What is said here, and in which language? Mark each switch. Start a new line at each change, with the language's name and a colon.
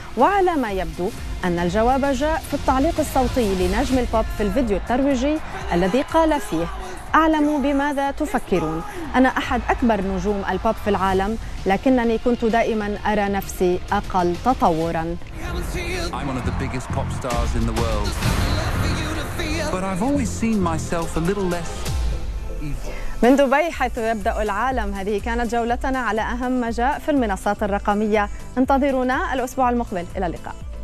Arabic: وعلى ما يبدو أن الجواب جاء في التعليق الصوتي لنجم البوب في الفيديو الترويجي الذي قال فيه: أعلم بماذا تفكرون، أنا أحد أكبر نجوم البوب في العالم، لكنني كنت دائما أرى نفسي أقل تطورا.
English: I'm one of the biggest pop stars in the world. But I've always seen myself a little less evil.
Arabic: من دبي حيث يبدأ العالم، هذه كانت جولتنا على أهم ما جاء في المنصات الرقمية. انتظرونا الأسبوع المقبل، إلى اللقاء.